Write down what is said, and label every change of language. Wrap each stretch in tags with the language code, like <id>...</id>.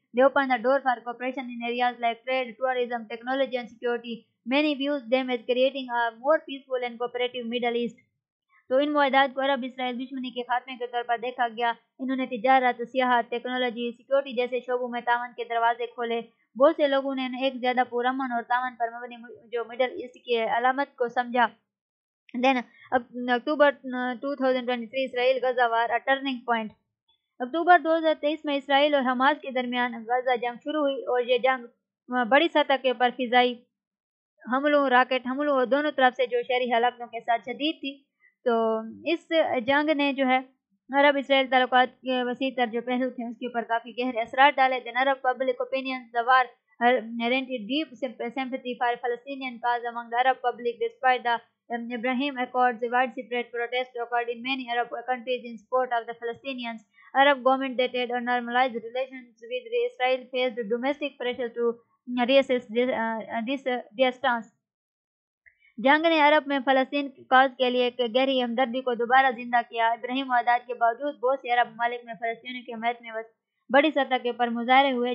<en>They open the door for cooperation in areas like trade tourism technology and security. Many views them as creating a more peaceful and cooperative Middle East.</en> <ur>تو ان معاہدات کو عرب اسرائیل دشمنی کے خاتمے کے طور پر دیکھا گیا. انہوں نے تجارت، سیاحت، ٹیکنالوجی، سیکیورٹی جیسے شعبوں میں تعاون کے دروازے کھولے. بہت سے لوگوں نے ایک زیادہ پرامن اور تعاون پر مبنی جو مڈل ایسٹ کی علامت کو سمجھا.</ur> <en>Then October 2023 Israel Gaza war a turning point.</en> <ur>اکتوبر 2023 میں اسرائیل اور حماس کے درمیان غزہ جنگ شروع ہوئی اور یہ جنگ بڑی سطح کے اوپر فضائی حملوں، راکٹ حملوں اور دونوں طرف سے جو شہری ہلاکتوں کے ساتھ شدید تھی. تو اس جنگ نے جو ہے عرب اسرائیل تعلقات کے وسیع تر جو پہلو تھے اس کے اوپر کافی گہرے اثرات ڈالے.</ur> <en>Then Arab public opinion the war reignited deep sympathy for Palestinian cause among the Arab public despite the Abraham Accords. Widespread protest occurred in many Arab countries in support of the Palestinians. Arab government that had normalised relations with Israel faced domestic pressure to reassess their stance.</en> <ur>جنگ نے عرب میں فلسطین cause کے لیے ایک گہری ہمدردی کو دوبارہ زندہ کیا. ابراہیم معاہدات کے باوجود بہت سے عرب ممالک میں فلسطینیوں کی حمایت میں بڑی سطح کے اوپر مظاہرے ہوئے.</ur>